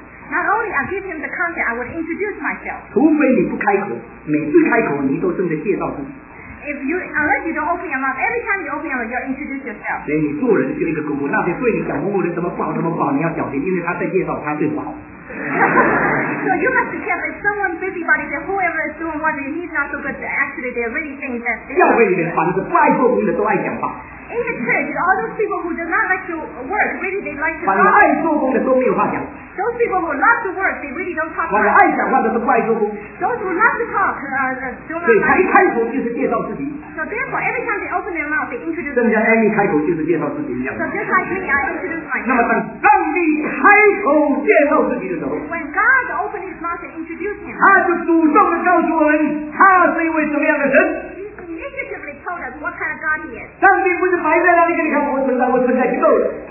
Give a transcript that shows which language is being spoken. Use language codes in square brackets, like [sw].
[en] Not only I give him the content, I would introduce myself. [zh] 除非你不开口，每次开口你都正在介绍自己。 [en] Unless you don't open your mouth, every time you open your mouth, you'll introduce yourself. [zh] 所以你做人就是一个公公，那些对你讲公公的什么不好什么不好，你要小心，因为他在介绍他对不好。 [en] So you must be careful. If someone busybody says whoever is doing what, he's not so good. Actually, they're really saying that. [zh] 教会里面凡是不爱做工的都爱讲话。 [en] In the church, all those people who do not like to work, really they like to talk. [zh] 凡爱做工的都没有话讲。 [en] Those people who love to work, they really don't talk. [zh] 凡爱讲话的都不爱做工。 [en] Those who love to talk, don't [zh] 所以他一开口就是介绍自己。 [en] So therefore, every time they open their mouth, they introduce. [zh] 正像 Amy 开口就是介绍自己一样。 [en] So just like me, I introduce myself. [zh] 那么当上帝开口介绍自己的时候。 [en] When God opened his mouth and introduced him. [zh] 他就主动的告诉我们，他是一位什么样的人。 [en] Initiatively told us what kind of God he is. [zh] 上帝不是埋在那里给你看我存在，我存在就够了。